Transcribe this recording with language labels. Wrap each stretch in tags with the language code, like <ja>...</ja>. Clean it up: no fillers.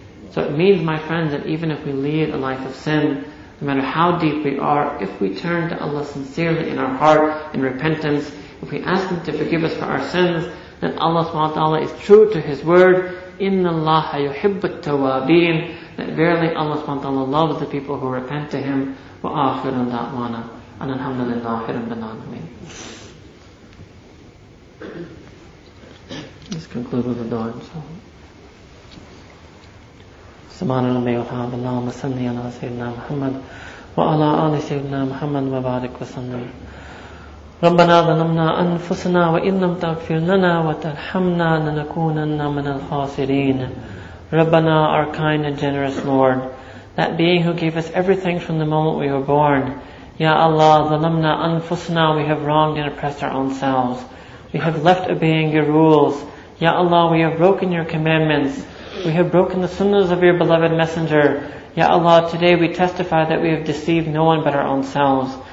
<en>So it means, my friends, that even if we lead a life of sin, no matter how deep we are, if we turn to Allah sincerely in our heart, in repentance, if we ask Him to forgive us for our sins, then Allah subhanahu wa ta'ala is true to His word,</en> <ar>إِنَّ اللَّهَ يُحِبُّ التَّوَّابِينَ,</ar> <en>that verily Allah subhanahu wa ta'ala loves the people who repent to Him.</en> <ar>وَآخِرُ دَعْوَانَا أَنَ الْحَمْدُ لِلَّهِ رَبِّ الْعَالَمِينَ.</ar> <en>Let's conclude with a dua inshaAllah.</en> <ar>سبحان ربي وبحمده اللهم صل على سيدنا محمد وعلى آل سيدنا محمد وبارك وسلم. ربنا ظلمنا أنفسنا وإن لم تغفر لنا وترحمنا لنكونن من الخاسرين.</ar> <en>ربنا, our kind and generous Lord, that being who gave us everything from the moment we were born. Ya Allah,</en> <ar>ظلمنا أنفسنا,</ar> <en>we have wronged and oppressed our own selves. We have left obeying your rules. Ya Allah, we have broken your commandments. We have broken the sunnahs of your beloved messenger. Ya Allah, today we testify that we have deceived no one but our own selves.</en>